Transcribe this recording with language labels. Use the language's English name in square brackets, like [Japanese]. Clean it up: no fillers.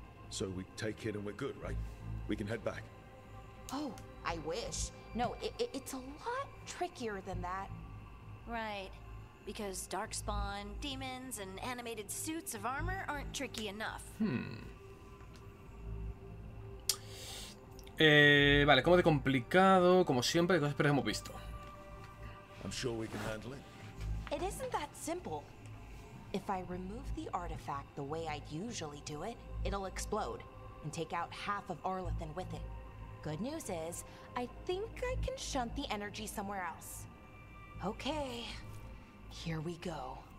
[English] So we take it and we're good, right? We can head back. Oh, I wish. No, it's a lot trickier than that. Right. Because darkspawn, demons, and animated suits of armor aren't tricky enough. Hmm. [Spanish] Vale, como de complicado, como siempre, cosas que hemos visto. [English] I'm sure we can handle it. It isn't that simple. If I remove the artifact the way I'd usually do it, it'll explode and take out half of Arlathan with it. Good news is, I think I can shunt the energy somewhere else. Okay, here we go.